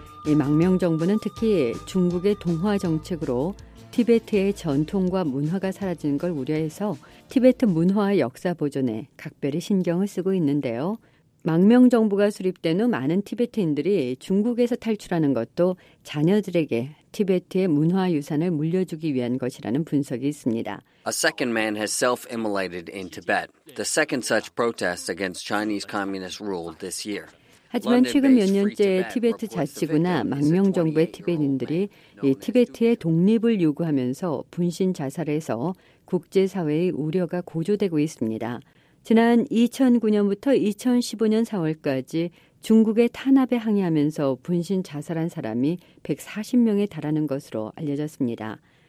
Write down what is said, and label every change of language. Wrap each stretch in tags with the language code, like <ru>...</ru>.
<ko>이 망명정부는 특히 중국의 동화 정책으로 티베트의 전통과 문화가 사라지는 걸 우려해서 티베트 문화와 역사 보존에 각별히 신경을 쓰고 있는데요. 망명정부가 수립된 후 많은 티베트인들이 중국에서 탈출하는 것도 자녀들에게 티베트의 문화 유산을 물려주기 위한 것이라는 분석이 있습니다.</ko> <en>A second man has self-immolated in Tibet, the second such protest against Chinese communist rule this year.</en> <ko>하지만 최근 몇 년째 티베트 자치구나 망명정부의 티베트인들이 이 티베트의 독립을 요구하면서 분신 자살해서 국제사회의 우려가 고조되고 있습니다. 지난 2009년부터 2015년 4월까지 중국의 탄압에 항의하면서 분신 자살한 사람이 140명에 달하는 것으로 알려졌습니다.</ko>